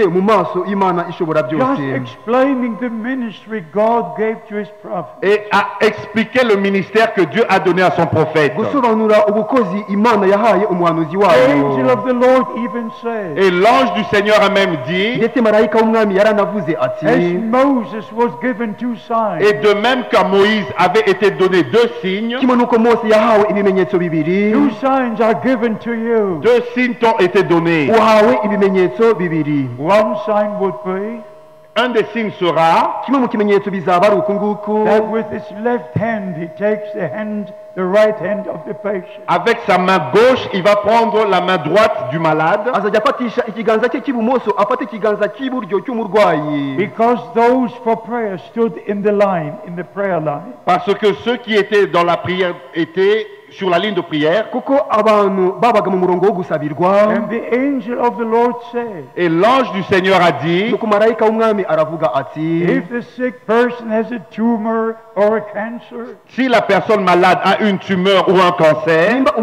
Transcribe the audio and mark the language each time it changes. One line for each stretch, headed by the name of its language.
English: Just explaining the ministry God gave to his prophet.
French: Et a expliqué le ministère que Dieu a donné à son prophète.
Kinyarwanda: Gusobanura ubukozi Imana yahaye umuhanuzi wayo.
English: The angel of the Lord even said.
French: Et l'ange du Seigneur a même dit.
Kinyarwanda: Ndetse marayika w'umwami yaranavuze ati.
English: As Moses was given two signs.
French: Et de même qu'à Moïse avait été donné deux signes.
English: Two signs are given to you.
French: Deux signes t'ont été donnés.
English: One sign would be.
French: Un des signes sera.
English: That with his left hand he takes the hand. The right hand of the patient.
French: Avec sa main gauche, il va prendre la main droite du malade.
English: Because those for prayer stood in the line, in the prayer line.
French: Parce que ceux qui étaient dans la prière étaient sur la ligne de prière.
English: And the angel of the Lord said.
French: Et l'ange du Seigneur a dit.
English: If the sick person has a tumor or a cancer.
French: Si la personne malade a une tumeur ou un cancer.